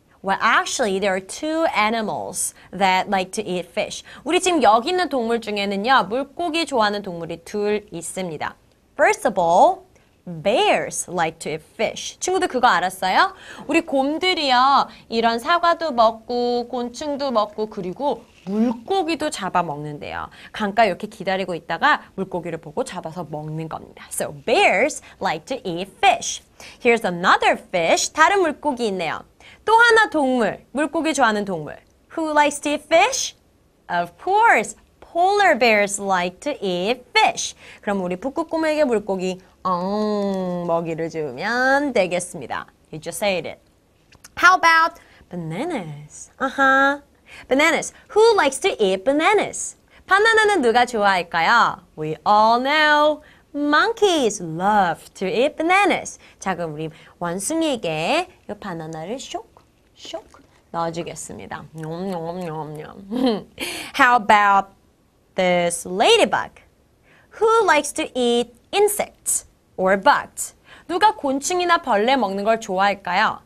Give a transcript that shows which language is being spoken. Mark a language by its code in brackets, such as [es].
[en] Well, actually, there are two animals that like to eat fish. [ko] 우리 지금 여기 있는 동물 중에는요, 물고기 좋아하는 동물이 둘 있습니다. [en] First of all, Bears like to eat fish. [ko] 친구들 그거 알았어요? 우리 곰들이요, 이런 사과도 먹고, 곤충도 먹고, 그리고 물고기도 잡아먹는데요. 강가 이렇게 기다리고 있다가 물고기를 보고 잡아서 먹는 겁니다. [en] So, bears like to eat fish. Here's another fish. [ko] 다른 물고기 있네요. 또 하나 동물. 물고기 좋아하는 동물. [en] Who likes to eat fish? Of course. Polar bears like to eat fish. [ko] 그럼 우리 북극곰에게 물고기, 먹이를 주면 되겠습니다. [en] You just ate it. How about bananas? Bananas. Who likes to eat bananas? [ko] 바나나는 누가 좋아할까요? [en] We all know monkeys love to eat bananas. [ko] 자, 그럼 우리 원숭이에게 이 바나나를 쇽, 쇽 넣어주겠습니다. [en] 뇸뇸뇸뇸. How about This ladybug. Who likes to eat insects or bugs? [ko] 누가 곤충이나 벌레 먹는 걸 좋아할까요?